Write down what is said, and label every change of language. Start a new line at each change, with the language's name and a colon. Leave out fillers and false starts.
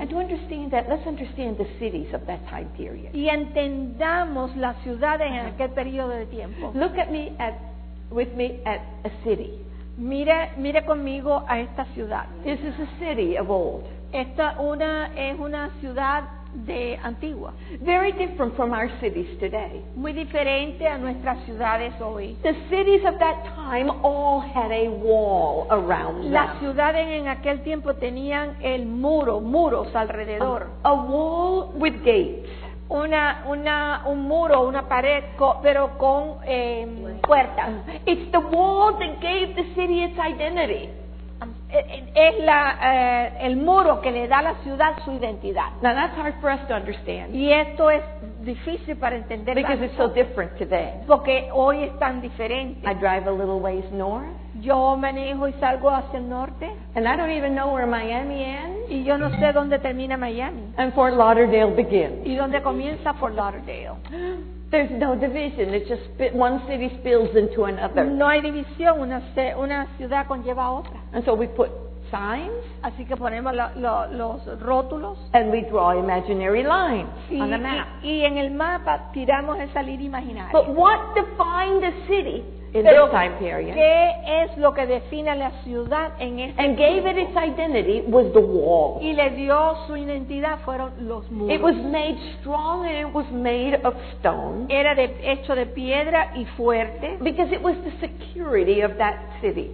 English: And to understand that, let's understand the cities of that time period.
Spanish: Y entendamos las ciudades en aquel periodo de tiempo.
English: Look at me at, with me at a city.
Spanish: Mire conmigo a esta ciudad.
English: This is a city of old.
Spanish: Esta es una ciudad de antigua.
English: Very different from our cities today.
Spanish: Muy diferente a nuestras ciudades hoy.
English: The cities of that time all had a wall around them.
Spanish: Las ciudades en aquel tiempo tenían el muros alrededor.
English: A wall with gates.
Spanish: Un muro, una pared, pero con puertas.
English: It's the wall that gave the city its identity.
Spanish: Es la el muro que le da a la ciudad su identidad.
English: Now that's hard for us to understand.
Spanish: Y esto es difícil para entender.
English: Because it's so different today.
Spanish: Porque hoy es tan diferente.
English: I drive a little ways north.
Spanish: Yo manejo y salgo hacia el norte.
English: And I don't even know where Miami ends.
Spanish: Y yo no sé dónde termina Miami.
English: And Fort Lauderdale begins.
Spanish: Y dónde comienza Fort Lauderdale.
English: There's no division. It's just one city spills into another.
Spanish: No hay división. Una ciudad conlleva a otra.
English: And so we put signs.
Spanish: Así que ponemos los rótulos.
English: And we draw imaginary lines on the map.
Spanish: Y en el mapa tiramos esa línea imaginaria.
English: But what defined the city in
Spanish: Pero
English: this time period?
Spanish: ¿Qué es lo que define la ciudad en este
English: And
Spanish: tiempo?
English: Gave it its identity was the wall.
Spanish: Y le dio su identidad fueron los muros.
English: It was made strong and it was made of stone.
Spanish: Era hecho de piedra y fuerte.
English: Because it was the security of that city.